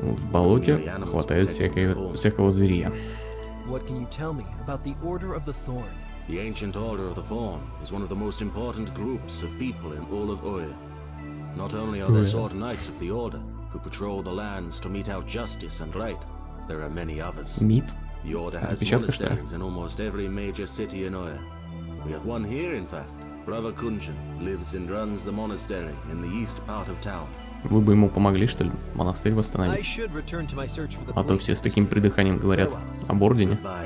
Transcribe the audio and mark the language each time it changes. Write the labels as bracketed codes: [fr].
[ru] В болоте хватает всякого зверья. [en] What can you tell me about the Order of the Thorne? The ancient Order of the Thorne is one of the most important groups of people in all of Ur. Not only are there sword knights of the Order, who patrol the lands to mete out justice and right, there are many others. Meet? The Order has monasteries in almost every major city in Ur. We have one here, in fact. Brother Kunjan lives and runs the monastery in the east part of town. [ru] Вы бы ему помогли, что ли, монастырь восстановить? А то все с таким придыханием говорят об Ордене.